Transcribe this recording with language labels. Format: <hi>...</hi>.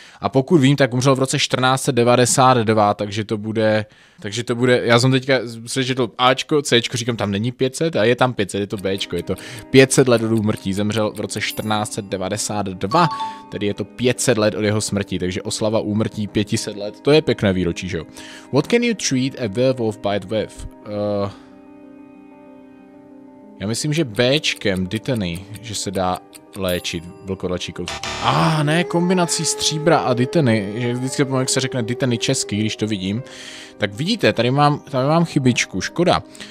<cs>A pokud vím, tak umřel v roce 1492, takže to bude, já jsem teďka přečetl Ačko, Cčko, říkám, tam není 500, a je tam 500, je to Bčko, je to 500 let od úmrtí, zemřel v roce 1492, tedy je to 500 let od jeho smrti, takže oslava úmrtí 500 let, to je pěkné výročí, že jo.</cs> <en>What can you treat a werewolf bite with?</en> <cs>Já myslím, že Bčkem, Dittany, že se dá léčit vlkodlačí kouzlo. Ne, kombinací stříbra a Dittany, že vždycky pomalu, jak se řekne Dittany česky, když to vidím. Tak vidíte, tady mám chybičku, škoda.</cs>